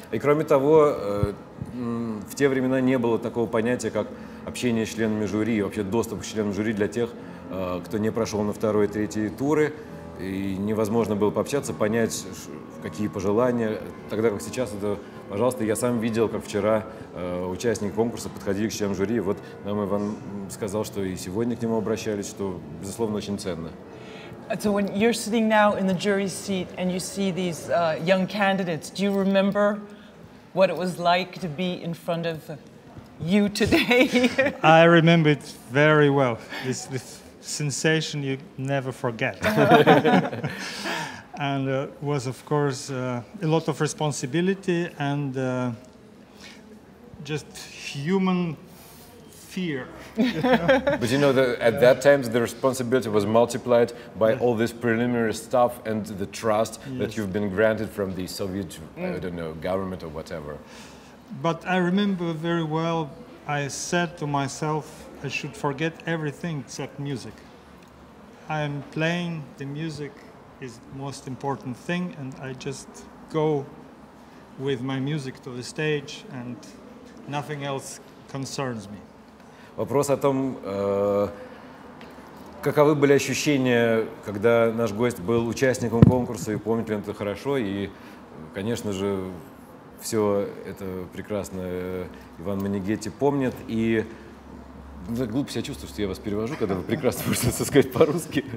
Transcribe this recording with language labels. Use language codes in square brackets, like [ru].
[ru] И кроме того, в те времена не было такого понятия, как общение с членами жюри, вообще доступ к членам жюри для тех, кто не прошел на второй и третий туры, и невозможно было пообщаться, понять, какие пожелания, тогда как сейчас это пожалуйста, я сам видел, как вчера участники конкурса подходили к членам жюри. Вот нам Иван сказал, что и сегодня к нему обращались, что, безусловно, очень ценно. [en] So when you're sitting now in the jury seat and you see these young candidates, do you remember what it was like to be in front of you today? I remember it very well. This sensation you never forget. And it was, of course, a lot of responsibility and just human fear. But you know, at that time, the responsibility was multiplied by all this preliminary stuff and the trust that you've been granted from the Soviet, I don't know, government or whatever. But I remember very well, I said to myself, I should forget everything except music. I'm playing the music is the most important thing, and I just go with my music to the stage, and nothing else concerns me. [ru] Вопрос о том, каковы были ощущения, когда наш гость был участником конкурса, и помнит ли он это хорошо, и, конечно же, все это прекрасно Иван Манигетти помнит, и так глупо себя чувствую, что я вас перевожу, когда вы прекрасно можете сказать по-русски.